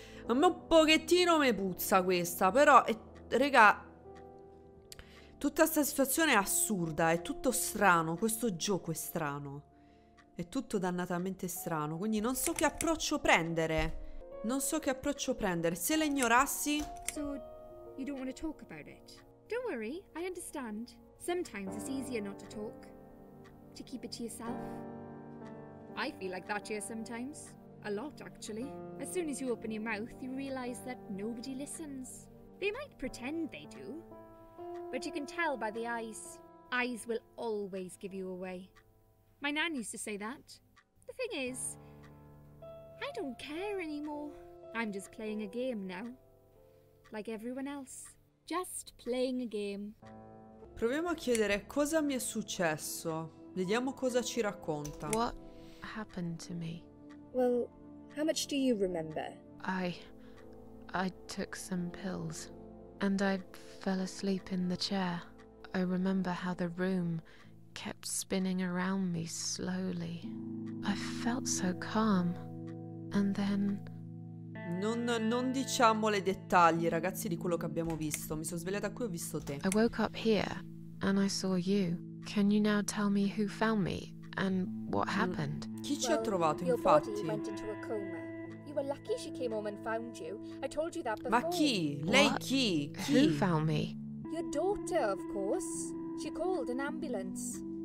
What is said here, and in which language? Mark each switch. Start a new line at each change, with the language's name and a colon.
Italian: A me un pochettino mi puzza questa, però, raga, tutta questa situazione è assurda, è tutto strano, questo gioco è strano, è tutto dannatamente strano, quindi non so che approccio prendere, non so che approccio prendere, se le ignorassi...
English: So, you don't want to talk about it? Don't worry, I understand. Sometimes it's easier not to talk, to keep it to yourself. I feel like that here sometimes. A lot, actually. As soon as you open your mouth, you realize that nobody listens. They might pretend they do, but you can tell by the eyes. Eyes will always give you away. My nan used to say that. The thing is, I don't care anymore. I'm just playing a game now. Like everyone else. Just playing a game.
Italian: Proviamo a chiedere cosa mi è successo. Vediamo cosa ci racconta.
English: What happened to me? Well, how much do you remember? I took some pills. And I fell asleep in the chair. I remember how the room kept spinning around me slowly. I felt so calm. And then...
Italian: Non diciamo le dettagli, ragazzi, di quello che abbiamo visto. Mi sono svegliata qui e ho visto te.
English: I woke up here and I saw you. Can you now tell me who found me and what happened?
Italian: Chi ci ha trovato,
English: well,
Italian: infatti?
English: Your body went into a coma. You were lucky she came home and found you. I told you that before.
Italian: Ma chi? Lei chi?
English: Who found me? Your daughter, of course. She called an ambulance.